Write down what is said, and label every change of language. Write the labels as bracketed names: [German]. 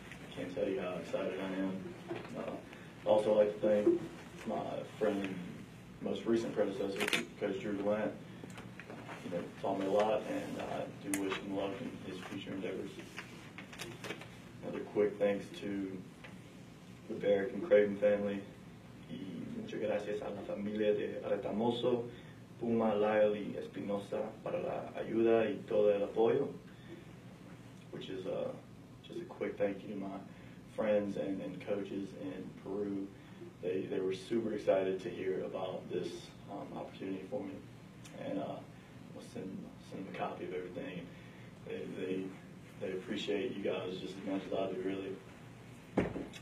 [English] I can't tell you how excited I am. Also, I'd like to thank my friend and most recent predecessor, Coach Drew Glant. You know, taught me a lot, and I do wish him luck in his future endeavors. Another quick thanks to the Barrick and Craven family. [Spanish] Y muchas gracias a la familia de Retamoso, Puma, Lyle, y Espinosa para la ayuda y todo el apoyo. [English] Which is just a quick thank you to my friends and coaches in Peru. They were super excited to hear about this opportunity for me. And I'll send them a copy of everything. They appreciate you guys just as much as I do, really.